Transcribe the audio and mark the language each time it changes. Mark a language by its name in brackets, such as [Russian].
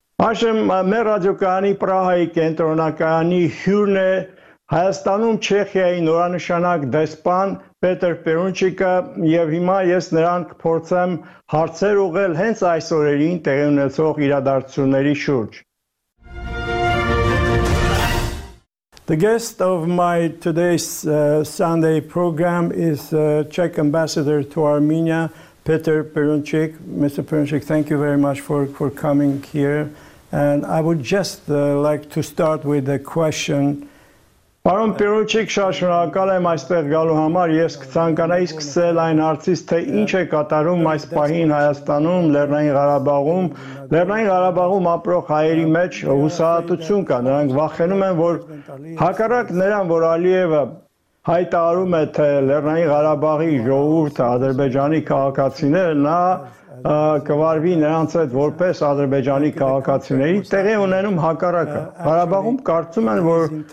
[Armenian] Այժմ մեր ռադիոկայանի Պրահայի կենտրոնակայանի հյուրն է Հայաստանում Չեխիայի նորանշանակ դեսպան Պետր Պերունչիկը, և հիմա ես նրան կփորձեմ հարցեր ուղղել հենց այս օրերին տեղի ունեցող իրադարձությունների շուրջ։ [English] The guest of my today's Sunday program is Czech Ambassador to Armenia, Petr Perunchik. Mr. Perunchik, thank you very much for coming here. And I would just like to start with a question. [Armenian] Պարոն Պերունչիկ, շատ շնորհակալ եմ այստեղ գալու համար, ես կցանկանայի սկսել այն հարցից, թե ինչ է կատարում այս պահին Հայաստանում, Լեռնային Ղարաբաղում, Լեռնային Ղարաբաղում ապրող հայերի մեջ հուսահատություն կա, նրանք վախենում են, որ հակառակ նրան, որ Ալիևը հայտարարում է, թե Լեռնային Ղարաբաղի ժողովուրդը ադրբեջանի քաղաքացիները, նա կվարվի նրանց հետ որպես ադրբեջանի քաղաքացիների, տեղի ունենում հակառակը։ Ղարաբաղում կարծում են, որ